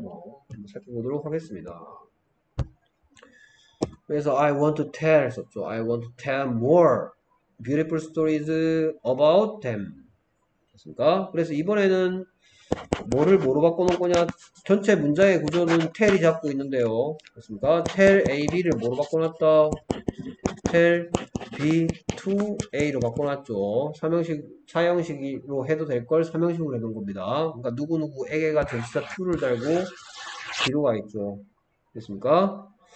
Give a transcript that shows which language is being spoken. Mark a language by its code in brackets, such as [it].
[ko] 뭐 살펴보도록 하겠습니다. 그래서 [en] I want to tell [ko] 썼죠. [en] I want to tell more beautiful stories about them. [ko] 그렇습니까? 그래서 이번에는 뭐를 뭐로 바꿔놓은 거냐? 전체 문장의 구조는 tell이 잡고 있는데요. 그렇습니까? tell AB를 뭐로 바꿔놨다? tell B to A로 바꿔놨죠. 사형식으로 해도 될걸 삼형식으로 해놓은 겁니다. 그러니까 누구누구에게가 전치사 to를 달고 뒤로 가 있죠. 됐습니까?